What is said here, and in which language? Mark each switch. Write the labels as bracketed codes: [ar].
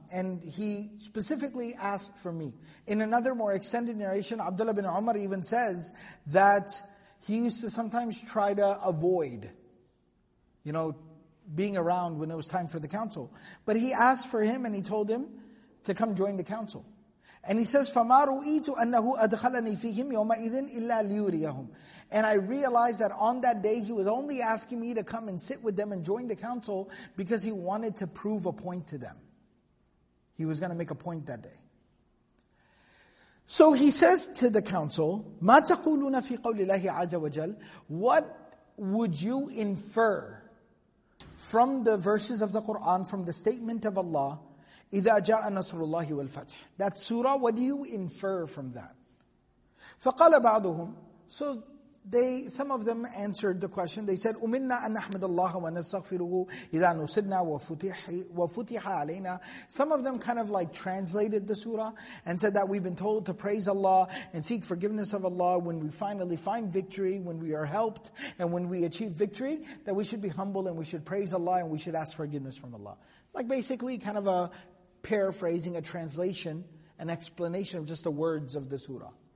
[en] And he specifically asked for me. In another more extended narration, Abdullah bin Umar even says that he used to sometimes try to avoid, you know, being around when it was time for the council. But he asked for him and he told him to come join the council. And he says, [ar] فَمَا رُؤِيتُ أَنَّهُ أَدْخَلَنِي فِيهِمْ يَوْمَئِذٍ إِلَّا لِيُرِيَهُمْ. [en] And I realized that on that day, he was only asking me to come and sit with them and join the council because he wanted to prove a point to them. He was going to make a point that day. So he says to the council, [ar] مَا تَقُولُونَ فِي قَوْلِ اللَّهِ عَزَّ وَجَلَّ. [en] What would you infer from the verses of the Qur'an, from the statement of Allah, [ar] إِذَا جَاءَ نَصْرُ اللَّهِ وَالْفَتْحِ. [en] That surah, what do you infer from that? [ar] فَقَالَ بَعْضُهُمْ. [en] So they, some of them answered the question. They said, [ar] أُمِنَّا أَن نَحْمَدَ اللَّهَ وَنَسْتَغْفِرُهُ إِذَا نُسِدْنَا وَفُتِحَ عَلَيْنَا. [en] Some of them kind of like translated the surah and said that we've been told to praise Allah and seek forgiveness of Allah when we finally find victory, when we are helped, and when we achieve victory, that we should be humble and we should praise Allah and we should ask forgiveness from Allah. Like basically kind of a paraphrasing, a translation, an explanation of just the words of the surah.